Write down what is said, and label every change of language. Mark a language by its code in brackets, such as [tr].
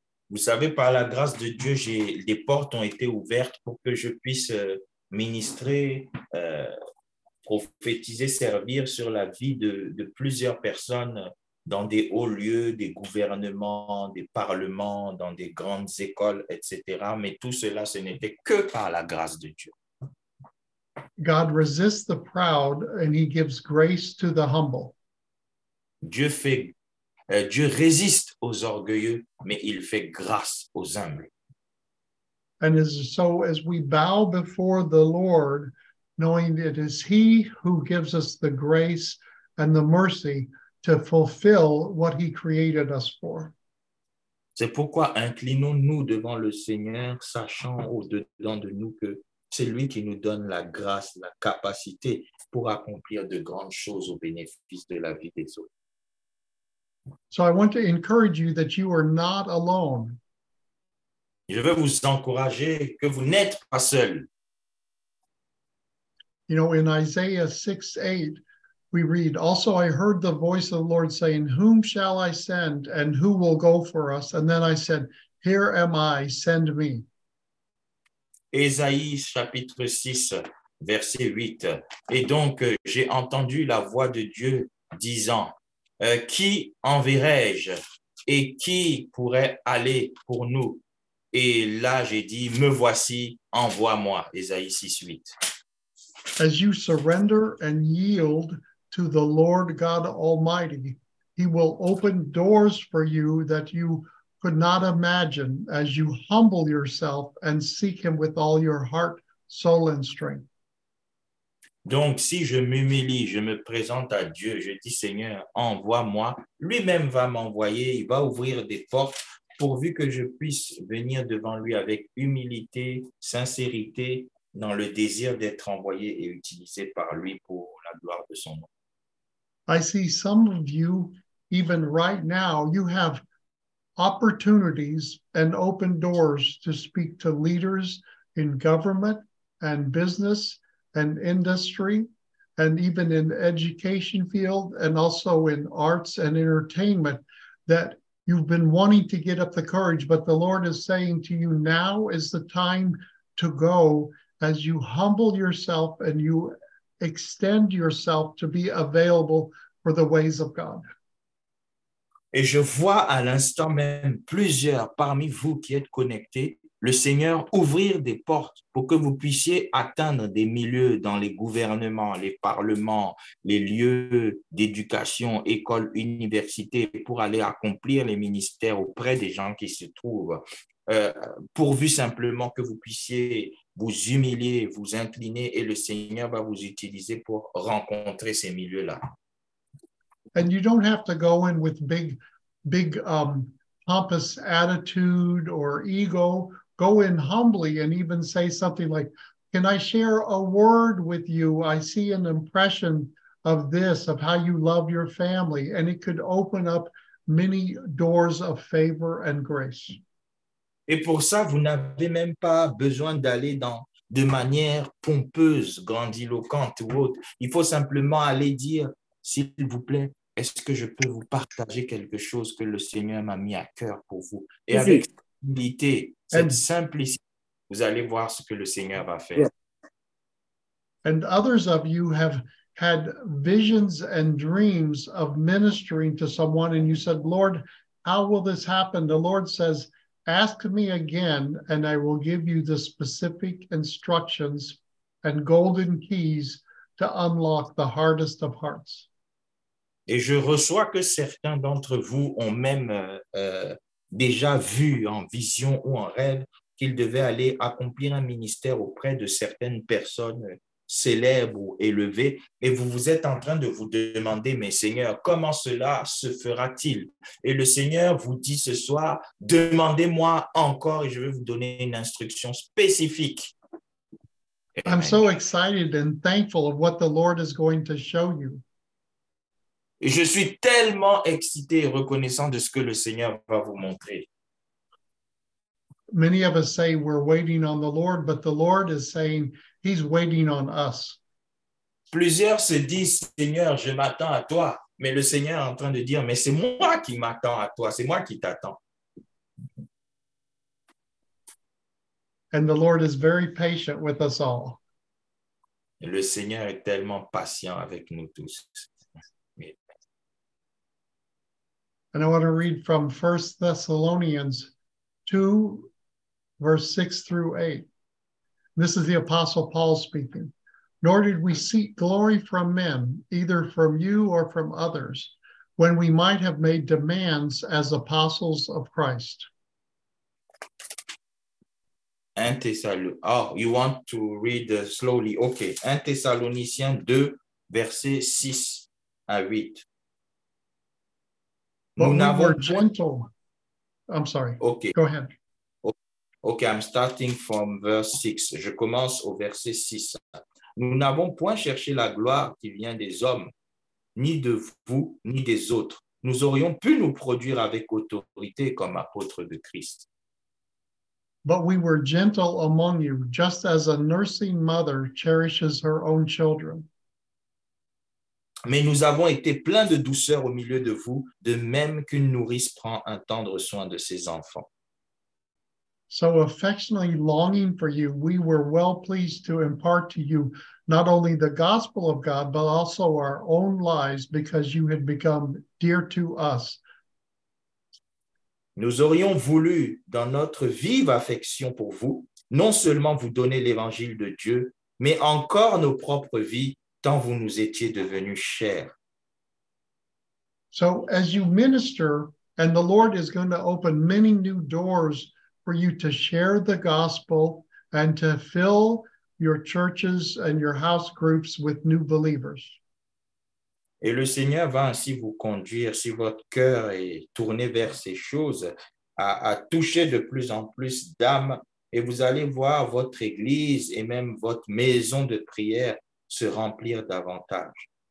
[fr] Vous savez, par la grâce de Dieu, les portes ont été ouvertes pour que je puisse ministrer, prophétiser, servir sur la vie de plusieurs personnes dans des hauts lieux, des gouvernements, des parlements, dans des grandes écoles, etc. Mais tout cela, ce n'était que par la grâce de Dieu. [en] God resists the proud and he gives grace to the humble. [fr] Dieu résiste aux orgueilleux, mais il fait grâce aux humbles. [en] And so as we bow before the Lord, knowing it is he who gives us the grace and the mercy to fulfill what he created us for. [fr] C'est pourquoi inclinons-nous devant le Seigneur, sachant au-dedans de nous que c'est lui qui nous donne la grâce, la capacité pour accomplir de grandes choses au bénéfice de la vie des autres. [en] So I want to encourage you that you are not alone. [fr] Je veux vous encourager que vous n'êtes pas seul. [en] You know, in Isaiah 6:8, we read, "Also I heard the voice of the Lord saying, 'Whom shall I send and who will go for us?' And then I said, 'Here am I, send me.'" [fr] Ésaïe chapitre 6, verset 8. Et donc, j'ai entendu la voix de Dieu disant, qui enverrai-je et qui pourrait aller pour nous? Et là, j'ai dit, me voici, envoie-moi. Ésaïe 6, 8. [en] As you surrender and yield to the Lord God Almighty, he will open doors for you that you could not imagine as you humble yourself and seek him with all your heart, soul, and strength. [fr] Donc, si je m'humilie, je me présente à Dieu, je dis, Seigneur, envoie-moi, lui-même va m'envoyer, il va ouvrir des portes pourvu que je puisse venir devant lui avec humilité, sincérité, dans le désir d'être envoyé et utilisé par lui pour la gloire de son nom. [en] I see some of you, even right now, you have opportunities and open doors to speak to leaders in government and business and industry and even in the education field and also in arts and entertainment that you've been wanting to get up the courage, but the Lord is saying to you, now is the time to go as you humble yourself and you extend yourself to be available for the ways of God. [fr] Et je vois à l'instant même plusieurs parmi vous qui êtes connectés, le Seigneur ouvrir des portes pour que vous puissiez atteindre des milieux dans les gouvernements, les parlements, les lieux d'éducation, écoles, universités, pour aller accomplir les ministères auprès des gens qui se trouvent, pourvu simplement que vous puissiez vous humilier, vous incliner, et le Seigneur va vous utiliser pour rencontrer ces milieux-là. [en] And you don't have to go in with big pompous attitude or ego. Go in humbly and even say something like, "Can I share a word with you? I see an impression of this, of how you love your family." And it could open up many doors of favor and grace. [fr] Et pour ça, vous n'avez même pas besoin d'aller dans de manière pompeuse, grandiloquente ou autre. Il faut simplement aller dire, s'il vous plaît, est-ce que je peux vous partager quelque chose que le Seigneur m'a mis à cœur pour vous? Et oui. Avec humilité, cette simplicité, vous allez voir ce que le Seigneur va faire. [en] And others of you have had visions and dreams of ministering to someone, and you said, Lord, how will this happen? The Lord says, ask me again, and I will give you the specific instructions and golden keys to unlock the hardest of hearts. [fr] Et je reçois que certains d'entre vous ont même déjà vu en vision ou en rêve qu'ils devaient aller accomplir un ministère auprès de certaines personnes célèbres ou élevées. Et vous vous êtes en train de vous demander, mais Seigneur, comment cela se fera-t-il? Et le Seigneur vous dit ce soir, demandez-moi encore et je vais vous donner une instruction spécifique. [en] I'm so excited and thankful of what the Lord is going to show you. [fr] Je suis tellement excité et reconnaissant de ce que le Seigneur va vous montrer. [en] Many of us say we're waiting on the Lord, but the Lord is saying he's waiting on us. [fr] Plusieurs se disent, Seigneur, je m'attends à toi. Mais le Seigneur est en train de dire, mais c'est moi qui m'attends à toi, c'est moi qui t'attends. [en] And the Lord is very patient with us all. [fr] Le Seigneur est tellement patient avec nous tous. [en] And I want to read from 1 Thessalonians 2, verse 6 through 8. This is the Apostle Paul speaking. Nor did we seek glory from men, either from you or from others, when we might have made demands as apostles of Christ. Oh, you want to read slowly. Okay. 1 Thessalonians 2, verse 6 à 8. But we were gentle. I'm sorry. Okay. Go ahead. Okay, I'm starting from verse 6. [fr] Je commence au verset 6. Nous n'avons point cherché la gloire qui vient des hommes, ni de vous, ni des autres. Nous aurions pu nous produire avec autorité comme apôtres de Christ. [en] But we were gentle among you, just as a nursing mother cherishes her own children. [fr] Mais nous avons été pleins de douceur au milieu de vous, de même qu'une nourrice prend un tendre soin de ses enfants. [en] So affectionately longing for you, we were well pleased to impart to you not only the gospel of God, but also our own lives, because you had become dear to us. [fr] Nous aurions voulu, dans notre vive affection pour vous, non seulement vous donner l'évangile de Dieu, mais encore nos propres vies, tant vous nous étiez devenus chers. [en] So as you minister, and the Lord is going to open many new doors for you to share the gospel and to fill your churches and your house groups with new believers. [fr] Et le Seigneur va ainsi vous conduire, si votre cœur est tourné vers ces choses, à toucher de plus en plus d'âmes, et vous allez voir votre église et même votre maison de prière se remplir davantage.